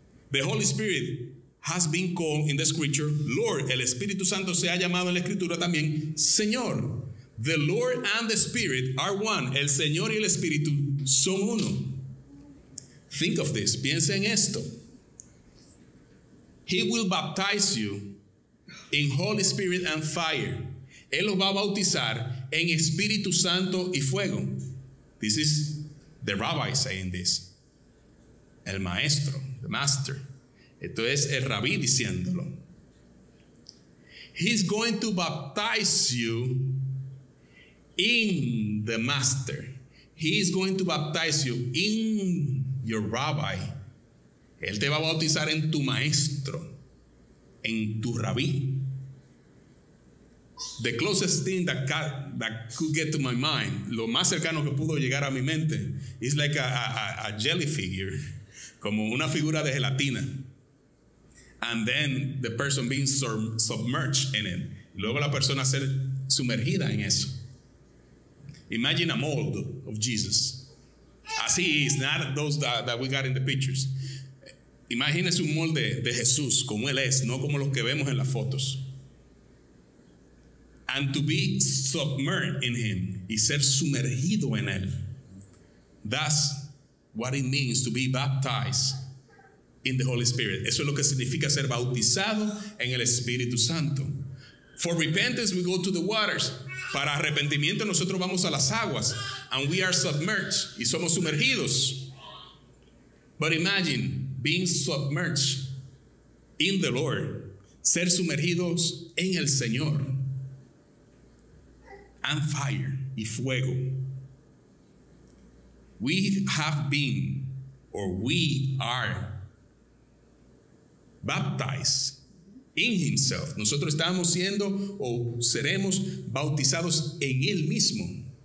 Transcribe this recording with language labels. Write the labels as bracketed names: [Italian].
[English] The Holy Spirit has been called in the scripture Lord. [Spanish] El Espíritu Santo se ha llamado en la escritura también Señor. [English] The Lord and the Spirit are one. [Spanish] El Señor y el Espíritu son uno. [English] Think of this. [Spanish] Piensa en esto. [English] He will baptize you in Holy Spirit and fire. [Spanish] Él los va a bautizar en Espíritu Santo y fuego. [English] This is the rabbi saying this. [Spanish] El maestro. [English] The master. [Spanish] Esto es el rabí diciéndolo. [English] He's going to baptize you in the master. He is going to baptize you in your rabbi. [Spanish] Él te va a bautizar en tu maestro, en tu rabí. [English] The closest thing that could get to my mind, [Spanish] lo más cercano que pudo llegar a mi mente, [English] is like a jelly figure, [Spanish] como una figura de gelatina. [English] And then the person being submerged in it. [Spanish] Luego la persona ser sumergida en eso. [English] Imagine a mold of Jesus. [Spanish] Así es, [English] not those that we got in the pictures. [Spanish] Imagínese un molde de Jesús, como Él es, no como los que vemos en las fotos. [English] And to be submerged in Him, [Spanish] y ser sumergido en Él. [English] That's what it means to be baptized in the Holy Spirit. [Spanish] Eso es lo que significa ser bautizado en el Espíritu Santo. [English] For repentance, we go to the waters. [Spanish] Para arrepentimiento, nosotros vamos a las aguas. [English] And we are submerged. [Spanish] Y somos sumergidos. [English] But imagine being submerged in the Lord. [Spanish] Ser sumergidos en el Señor. [English] And fire. [Spanish] Y fuego. [English] We have been, or we are, baptized in Himself. [Spanish] Nosotros estamos siendo o seremos bautizados en Él mismo.